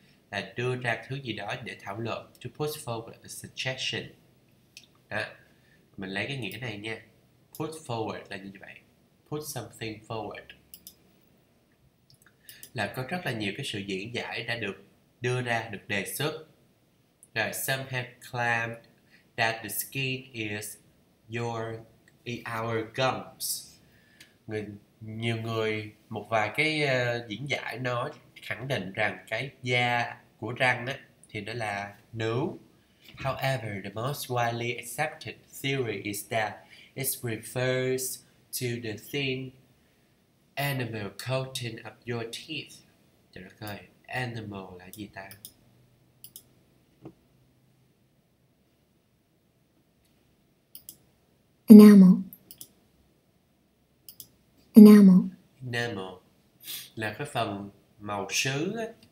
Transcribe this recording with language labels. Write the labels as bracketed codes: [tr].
[vi] Là đưa ra thứ gì đó để thảo luận. [en] To put forward a suggestion. [vi] Đó. Mình lấy cái nghĩa này nha. Put forward là như vậy. [en] Put something forward. [vi] Là có rất là nhiều cái sự diễn giải đã được đưa ra, được đề xuất. [en] Rồi, some have claimed that the skin is our gums. [vi] Nhiều người, một vài cái diễn giải nói khẳng định rằng cái da của răng á thì nó là nướu. [en] However, the most widely accepted theory is that it refers to the thin enamel coating of your teeth. [vi] Trời đất ơi, enamel là gì ta? [en] Enamel [vi] là cái phần màu sứ á.